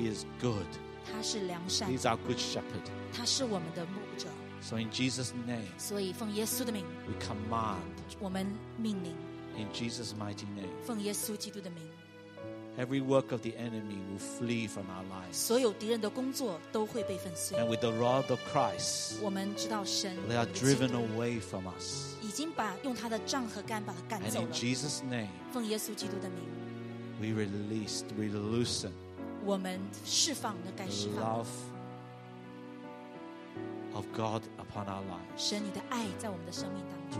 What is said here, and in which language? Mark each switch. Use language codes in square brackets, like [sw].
[en] He is good. [zh] 他是良善。 [en] He's our good shepherd. [zh] 他是我们的牧者。 [en] So in Jesus' name. [zh] 所以奉耶稣的名。 [en] We command. [zh] 我们命令。 [en] In Jesus' mighty name. [zh] 奉耶稣基督的名。 [en] Every work of the enemy will flee from our lives. [zh] 所有敌人的工作都会被粉碎。 [en] And with the rod of Christ. [zh] 我们知道神。 [en] They are driven away from us. [zh] 已经把用他的杖和杆把他赶走了。 [en] And in Jesus' name. [zh] 奉耶稣基督的名。 [en] We release, we loosen. [zh] 我们释放的该释放的 [en] love of God upon our lives. [zh] 神你的爱在我们的生命当中